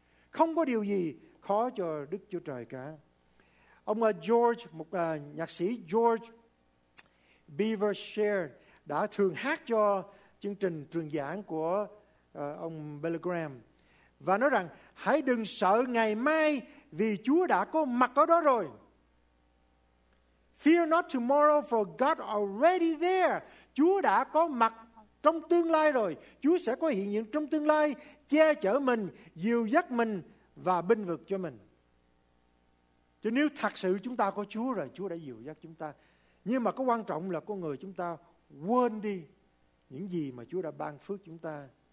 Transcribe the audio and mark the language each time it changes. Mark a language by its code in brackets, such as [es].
[vi] Không có điều gì khó cho Đức Chúa Trời cả. Ông George, một nhạc sĩ George Beaver Share, đã thường hát cho chương trình truyền giảng của ông Billy Graham và nói rằng hãy đừng sợ ngày mai vì Chúa đã có mặt ở đó rồi. [en] Fear not tomorrow for God already there. [vi] Chúa đã có mặt trong tương lai rồi. Chúa sẽ có hiện diện trong tương lai, che chở mình, dìu dắt mình và binh vực cho mình. Chứ nếu thật sự chúng ta có Chúa rồi, Chúa đã dìu dắt chúng ta. Nhưng mà có quan trọng là con người chúng ta quên đi những gì mà Chúa đã ban phước chúng ta.